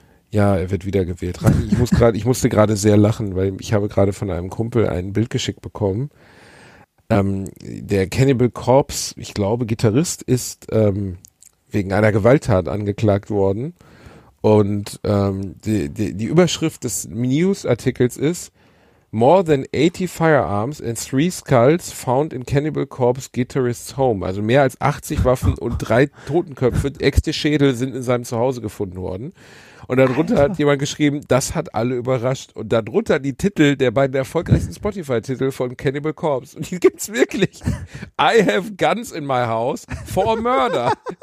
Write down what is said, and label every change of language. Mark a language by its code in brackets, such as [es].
[de] Ja, er wird wiedergewählt. Ich musste gerade sehr lachen, weil ich habe gerade von einem Kumpel ein Bild geschickt bekommen. Der Cannibal Corpse, ich glaube Gitarrist, ist wegen einer Gewalttat angeklagt worden. Und die Überschrift des News-Artikels ist, [en] More than 80 firearms and 3 skulls found in Cannibal Corpse Guitarist's home. [de] Also mehr als 80 Waffen und 3 Totenköpfe, Äxte-Schädel sind in seinem Zuhause gefunden worden. Und darunter hat jemand geschrieben, das hat alle überrascht. Und darunter die Titel der beiden erfolgreichsten Spotify-Titel von Cannibal Corpse. Und die gibt's wirklich. [en] I have guns in my house for murder.